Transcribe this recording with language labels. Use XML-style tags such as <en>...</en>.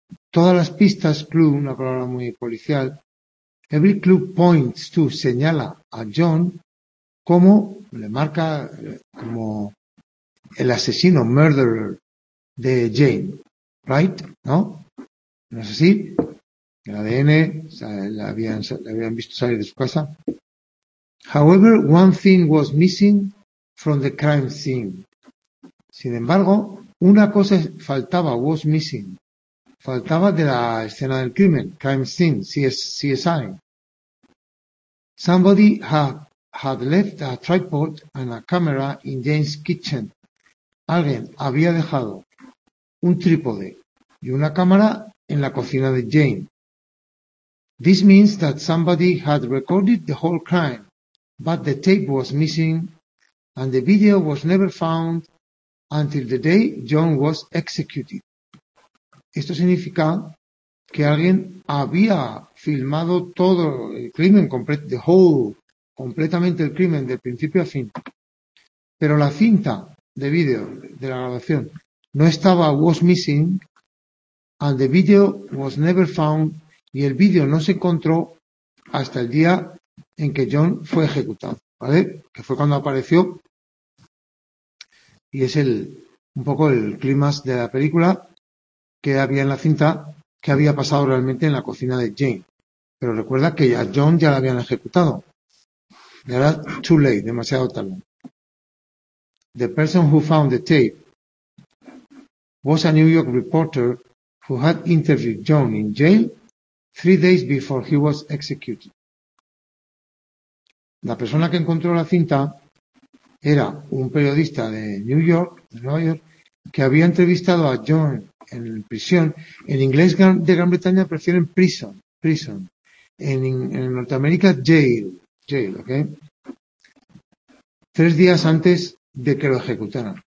<es>Todas las pistas, clue, una palabra muy policial.</es> <en>Every clue points to,</en> <es>señala a John como, le marca como el asesino, murderer de Jane,</es> <en>right?</en> <es>¿No? ¿No es así? El ADN, o sea, le habían visto salir de su casa.</es> <en>However, one thing was missing from the crime scene.</en> <es>Sin embargo, una cosa faltaba,</es> <en>was missing.</en> <es>Faltaba de la escena del crimen, crime scene, CSI.</es> <en>Somebody had left a tripod and a camera in James' kitchen.</en> <es>Alguien había dejado un trípode y una cámara en la cocina de James.</es> <en>This means that somebody had recorded the whole crime, but the tape was missing and the video was never found until the day John was executed.</en> <es>Esto significa que alguien había filmado todo el crimen, completamente el crimen, de principio a fin. Pero la cinta de video, de la grabación, no estaba,</es> <en>was missing, and the video was never found,</en> <es>y el video no se encontró hasta el día en que John fue ejecutado, ¿vale? Que fue cuando apareció, y es un poco el clímax de la película, que había en la cinta, que había pasado realmente en la cocina de Jane. Pero recuerda que ya John ya la habían ejecutado. Y ahora,</es> <en>too late,</en> <es>demasiado tarde.</es> <en>The person who found the tape was a New York reporter who had interviewed John in jail 3 days before he was executed.</en> <es>La persona que encontró la cinta era un periodista de Nueva York, que había entrevistado a John en prisión. En inglés de Gran Bretaña prefieren prison. En Norteamérica, jail, ¿ok? 3 días antes de que lo ejecutaran.</es>